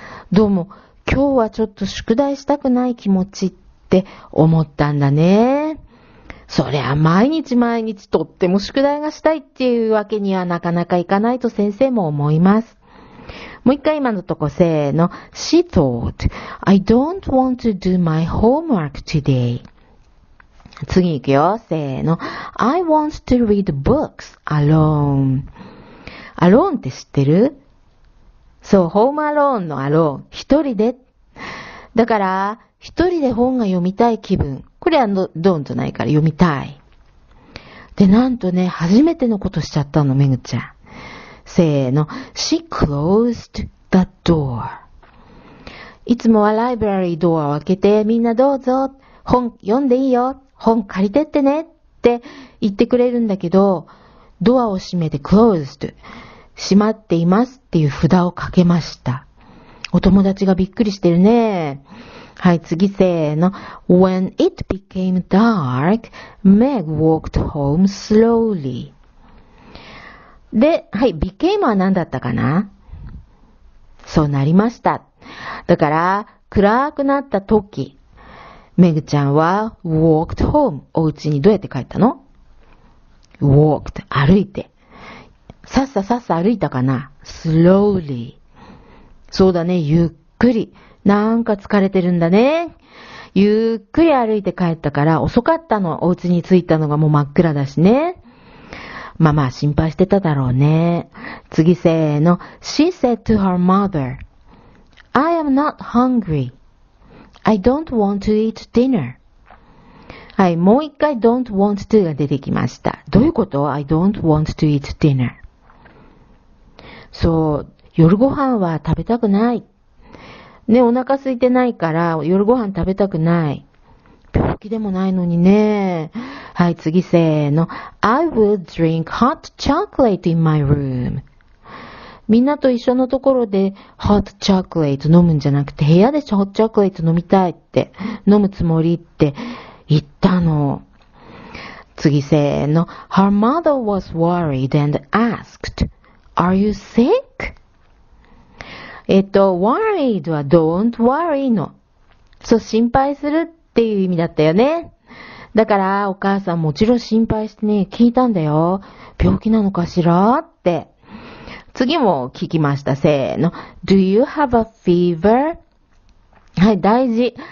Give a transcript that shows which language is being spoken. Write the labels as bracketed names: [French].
[Japanese] どうも、今日はちょっと宿題したくない気持ちって思ったんだね。そりゃ毎日毎日とっても宿題がしたいっていうわけにはなかなかいかないと先生も思います。もう一回今のとこせーの。 [English] She thought, I don't want to do my homework today. [Japanese] 次行くよ、せーの。 [English] I want to read books alone. [Japanese] Alone って知ってる？そう、home alone の alone。一人で。だから、一人で本が読みたい気分。これはドンとないから読みたい。で、なんとね、初めてのことしちゃったの、めぐちゃん。せーの。 [English] She closed the door. [Japanese] いつもはライブラリードアを開けて、みんなどうぞ、本読んでいいよ、本借りてってねって言ってくれるんだけど、ドアを閉めて closed、閉まっていますっていう札をかけました。お友達がびっくりしてるね。はい、次せーの。 [English] When it became dark, Meg walked home slowly. [Japanese] で、はい、became は何だったかな？そうなりました。だから、暗くなった時、メグちゃんは walked home。お家にどうやって帰ったの？ walked、 歩いて。さっさっさっさ歩いたかな？ slowly。 そうだね、ゆっくり。なんか疲れてるんだね。ゆっくり歩いて帰ったから遅かったの。お家に着いたのがもう真っ暗だしね。まあまあ心配してただろうね。次せーの。 [English] She said to her mother, I am not hungry. I don't want to eat dinner. [Japanese] はい、もう一回 [English] don't want to [Japanese] が出てきました。どういうこと？ [English] I don't want to eat dinner. [Japanese] そう、夜ご飯は食べたくない。ね、お腹空いてないから夜ご飯食べたくない。病気でもないのにね。はい、次せーの。 [English] I would drink hot chocolate in my room. [Japanese] みんなと一緒のところで hot chocolate 飲むんじゃなくて部屋で hot chocolate 飲みたいって、飲むつもりって言ったの。次せーの。 [English] Her mother was worried and asked, Are you sick? worried は don't worry の。 [Japanese] そう、心配するっていう意味だったよね。だから、お母さんもちろん心配してね、聞いたんだよ。病気なのかしらって。次も聞きました。せーの。 [English] Do you have a fever? [Japanese] はい、大事。